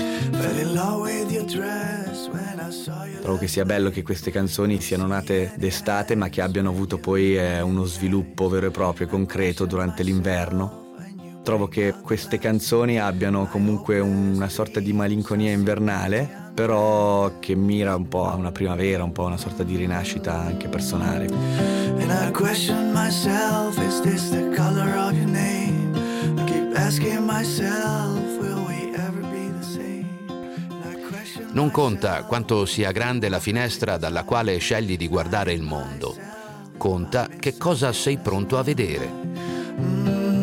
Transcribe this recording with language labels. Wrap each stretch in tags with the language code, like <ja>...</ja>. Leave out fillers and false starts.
<en>Fell in love with your dress when I saw you.</en> <it>Trovo che sia bello che queste canzoni siano nate d'estate, ma che abbiano avuto poi uno sviluppo vero e proprio, concreto, durante l'inverno. Trovo che queste canzoni abbiano comunque una sorta di malinconia invernale, però che mira un po' a una primavera, un po' a una sorta di rinascita anche personale.</it> <en>And I question myself, is this the color of your name? I keep asking myself, will we ever be the same?</en> <it>Non conta quanto sia grande la finestra dalla quale scegli di guardare il mondo, conta che cosa sei pronto a vedere.</it>